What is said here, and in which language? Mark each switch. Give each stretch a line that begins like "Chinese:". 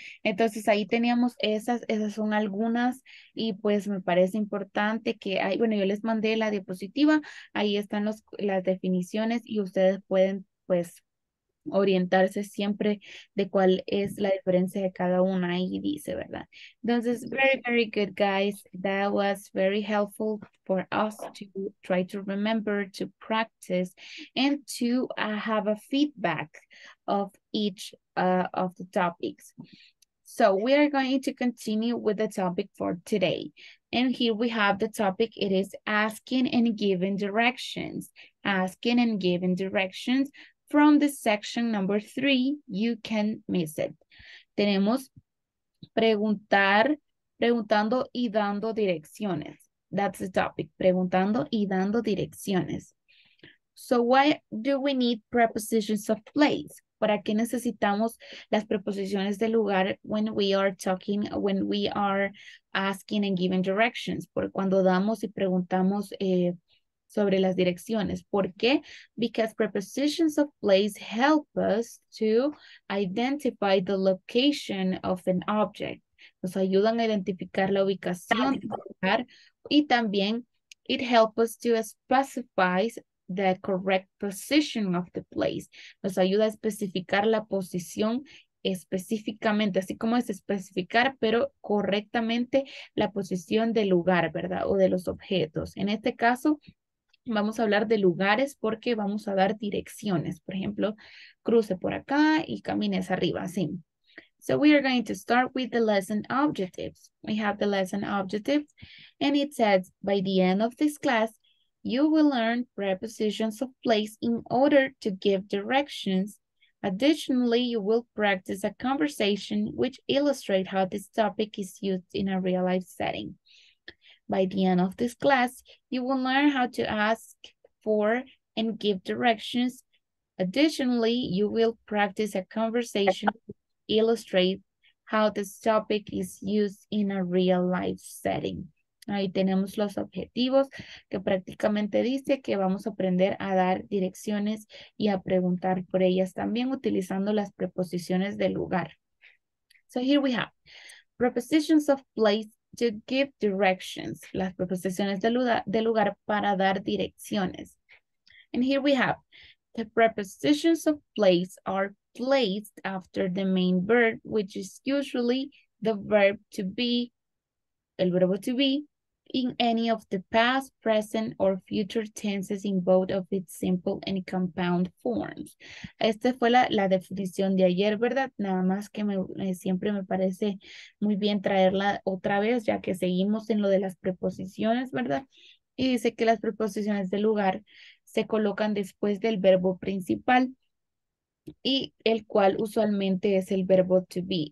Spanish: Entonces ahí teníamos esas son algunas y pues me parece importante que hay, bueno, yo les mandé la diapositiva, ahí están las definiciones y ustedes pueden pues orientarse siempre de cuál es la diferencia de cada una ahí dice, ¿verdad? Entonces,
English: very, very good, guys. That was very helpful for us to try to remember, to practice, and to have a feedback of each of the topics. So we are going to continue with the topic for today. And here we have the topic. It is asking and giving directions. Asking and giving directions. From the section number 3, you can miss it.
Spanish: Tenemos preguntar, preguntando y dando direcciones.
English: That's the topic,
Spanish: preguntando y dando direcciones.
English: So why do we need prepositions of place?
Spanish: ¿Para qué necesitamos las preposiciones de lugar
English: when we are talking, when we are asking and giving directions?
Spanish: Por cuando damos y preguntamos sobre las direcciones. ¿Por qué?
English: Because prepositions of place help us to identify the location of an object.
Spanish: Nos ayudan a identificar la ubicación y también
English: it helps us to specify the correct position of the place.
Spanish: Nos ayuda a especificar la posición específicamente, así como es especificar, pero correctamente la posición del lugar, ¿verdad? O de los objetos. En este caso, vamos a hablar de lugares porque vamos a dar direcciones. Por ejemplo, cruce por acá y camines arriba, sí.
English: So we are going to start with the lesson objectives. We have the lesson objectives and it says, by the end of this class, you will learn prepositions of place in order to give directions. Additionally, you will practice a conversation which illustrates how this topic is used in a real life setting. By the end of this class, you will learn how to ask for and give directions. Additionally, you will practice a conversation to illustrate how this topic is used in a real life setting.
Spanish: Ahí tenemos los objetivos que prácticamente dice que vamos a aprender a dar direcciones y a preguntar por ellas también utilizando las preposiciones de lugar.
English: So here we have prepositions of place to give directions,
Spanish: las preposiciones de lugar para dar direcciones.
English: And here we have, the prepositions of place are placed after the main verb, which is usually the verb to be, el verbo to be, in any of the past, present, or future tenses in both of its simple and compound forms.
Spanish: Esta fue la definición de ayer, ¿verdad? Nada más que siempre me parece muy bien traerla otra vez, ya que seguimos en lo de las preposiciones, ¿verdad? y dice que las preposiciones de lugar se colocan después del verbo principal, y el cual usualmente es el verbo to be.